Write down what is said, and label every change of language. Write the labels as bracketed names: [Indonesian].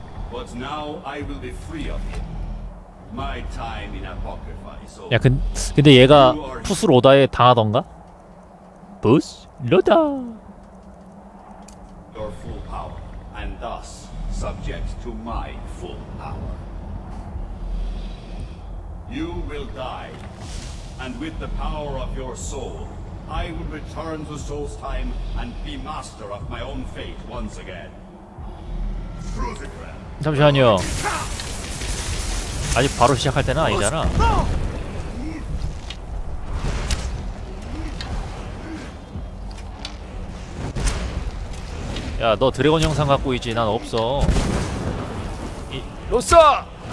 [English] But now I will be free of him. My time in Apocrypha is over. [Korean] 야, 근데 얘가 푸스 로다에 당하던가? 푸스 로다. [English] Your full power and thus subject to my full power. You will die and with the power of your soul I will return to Solstheim and be master of my own fate once again. [Korean] 잠시만요. 아직 바로 시작할 때는 아니잖아. 야, 너 드래곤 형상 갖고 있지? 난 없어. 이 로사!